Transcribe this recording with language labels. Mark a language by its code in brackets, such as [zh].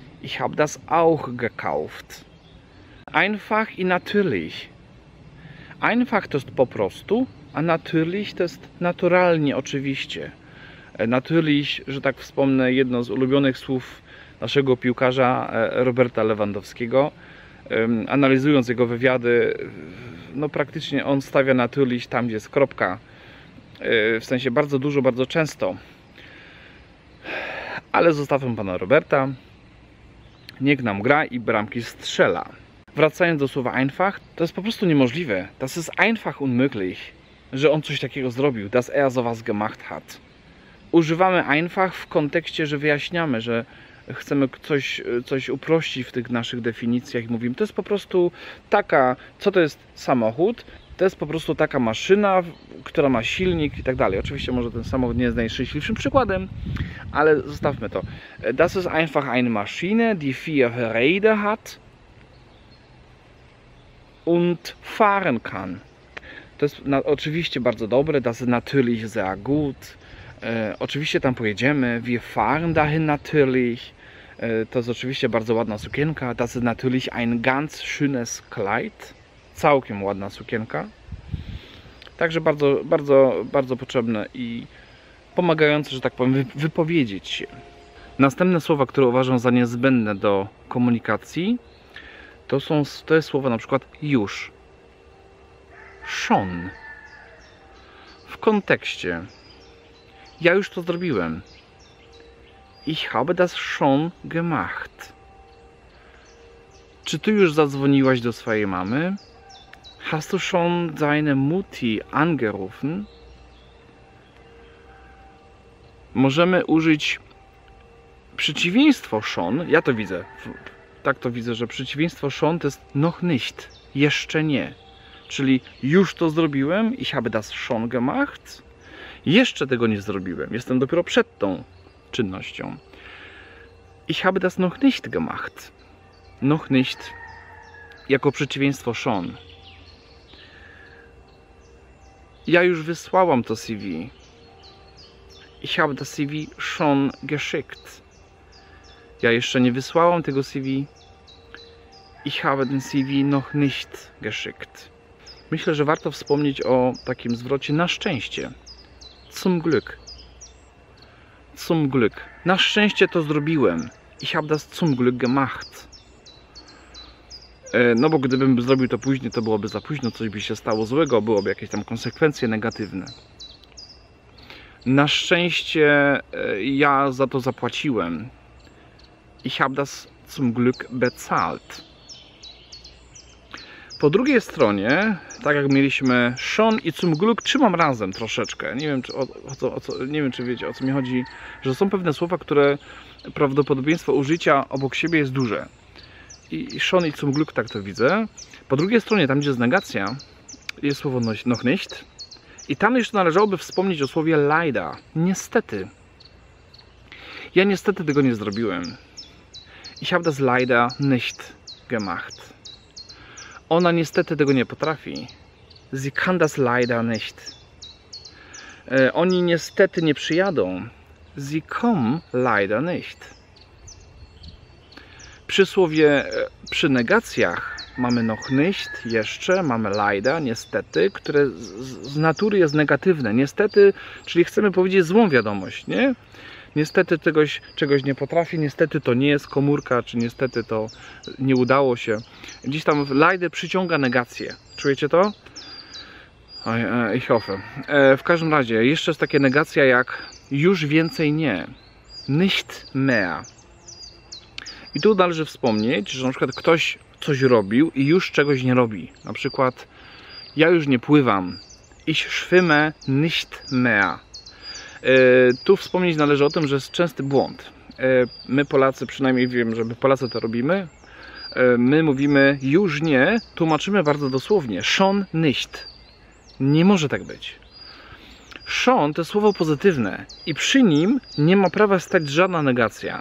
[de] Ich hab das auch gekauft. Einfach i natürlich. [pl] Einfach to jest po prostu, a natürlich to jest naturalnie, oczywiście. Natürlich, że tak wspomnę, jedno z ulubionych słów naszego piłkarza Roberta Lewandowskiego. Analizując jego wywiady, no praktycznie on stawia natürlich tam, gdzie jest kropka. W sensie bardzo dużo, bardzo często. Ale zostawiam pana Roberta. Niech nam gra i bramki strzela. Wracając do słowa einfach, to jest po prostu niemożliwe. [de] Das ist einfach unmöglich, [pl] że on coś takiego zrobił. [de] Das er sowas gemacht hat. [pl] Używamy einfach w kontekście, że wyjaśniamy, że chcemy coś uprościć w tych naszych definicjach i mówimy, to jest po prostu taka, co to jest samochód, to jest po prostu taka maszyna, która ma silnik i tak dalej. Oczywiście może ten samochód nie jest najszczęśliwszym przykładem, ale zostawmy to. [de] Das ist einfach eine Maschine, die vier Räder hat und fahren kann. [pl] To jest oczywiście bardzo dobre, [de] das ist natürlich sehr gut. [pl] Oczywiście tam pojedziemy, [de] wir fahren dahin natürlich. [pl] To jest oczywiście bardzo ładna sukienka, [de] das ist natürlich ein ganz schönes Kleid. [pl] Całkiem ładna sukienka. Także bardzo, bardzo, bardzo potrzebne i pomagające, że tak powiem, wypowiedzieć się. Następne słowa, które uważam za niezbędne do komunikacji, to jest słowa na przykład już. Schon. W kontekście. Ja już to zrobiłem. [de] Ich habe das schon gemacht. [pl] Czy ty już zadzwoniłaś do swojej mamy? [de] Hast du schon deine Mutti angerufen? [pl] Możemy użyć przeciwieństwo schon. Ja to widzę. Tak to widzę, że przeciwieństwo schon to jest noch nicht. Jeszcze nie. Czyli już to zrobiłem. [de] Ich habe das schon gemacht. [pl] Jeszcze tego nie zrobiłem. Jestem dopiero przed tą czynnością. [de] Ich habe das noch nicht gemacht. Noch nicht. [pl] Jako przeciwieństwo schon. Ja już wysłałam to CV. [de] Ich habe das CV schon geschickt. [pl] Ja jeszcze nie wysłałam tego CV. [de] Ich habe den CV noch nicht geschickt. [pl] Myślę, że warto wspomnieć o takim zwrocie na szczęście. [de] Zum Glück. Zum Glück. [pl] Na szczęście to zrobiłem. [de] Ich habe das zum Glück gemacht. [pl] No bo gdybym zrobił to później, to byłoby za późno, coś by się stało złego, byłoby jakieś tam konsekwencje negatywne. Na szczęście ja za to zapłaciłem. [de] Ich habe das zum Glück bezahlt. [pl] Po drugiej stronie, tak jak mieliśmy schon i zum Glück, trzymam razem troszeczkę. Nie wiem, czy nie wiem, czy wiecie, o co mi chodzi, że są pewne słowa, które prawdopodobieństwo użycia obok siebie jest duże. I schon i zum Glück, tak to widzę. Po drugiej stronie, tam gdzie jest negacja, jest słowo noch nicht. I tam jeszcze należałoby wspomnieć o słowie leider. Niestety. Ja niestety tego nie zrobiłem. [de] Ich habe das leider nicht gemacht. [pl] Ona niestety tego nie potrafi. [de] Sie kann das leider nicht. [pl] Oni niestety nie przyjadą. [de] Sie kommen leider nicht. [pl] Przysłowie przy negacjach mamy noch nicht, jeszcze, mamy leider, niestety, które z natury jest negatywne. Niestety, czyli chcemy powiedzieć złą wiadomość, nie? Niestety czegoś nie potrafi, niestety to nie jest komórka, czy niestety to nie udało się. Gdzieś tam leider przyciąga negację. Czujecie to? [de] Ich hoffe. [pl] W każdym razie, jeszcze jest takie negacja jak już więcej nie. [de] Nicht mehr. [pl] I tu należy wspomnieć, że na przykład ktoś coś robił i już czegoś nie robi. Na przykład, ja już nie pływam. [de] Ich schwimme nicht mehr. [pl] Tu wspomnieć należy o tym, że jest częsty błąd. My Polacy, przynajmniej wiem, że my Polacy to robimy. My mówimy już nie, tłumaczymy bardzo dosłownie. [de] Schon nicht. [pl] Nie może tak być. Schon to słowo pozytywne i przy nim nie ma prawa stać żadna negacja.